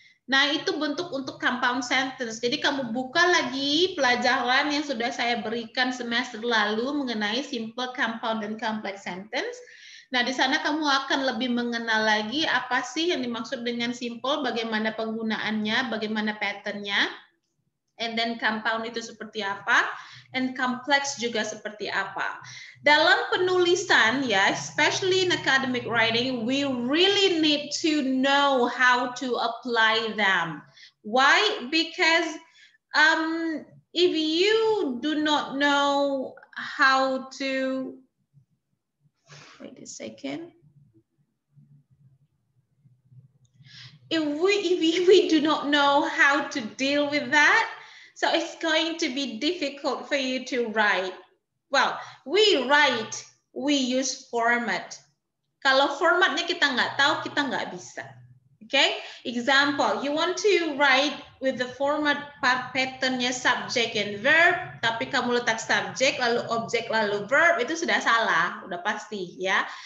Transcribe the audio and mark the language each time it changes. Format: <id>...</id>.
<id>Nah, itu bentuk untuk compound sentence. Jadi kamu buka lagi pelajaran yang sudah saya berikan semester lalu mengenai simple compound and complex sentence. Nah, di sana kamu akan lebih mengenal lagi apa sih yang dimaksud dengan simple, bagaimana penggunaannya, bagaimana patternnya,</id> <en>and then</en> <id>compound itu seperti apa, and complex juga seperti apa. Dalam penulisan, ya,</id> <en>especially in academic writing, we really need to know how to apply them. Why? Because if you do not know how to... Wait a second. If we do not know how to deal with that, so it's going to be difficult for you to write. Well, we write, we use format.</en> <id>Kalau formatnya kita nggak tahu, kita nggak bisa.</id> <en>Okay? Example, you want to write with the format patternnya subject and verb,</en> <id>tapi kamu letak subject, lalu object, lalu verb, itu sudah salah, udah pasti ya.</id>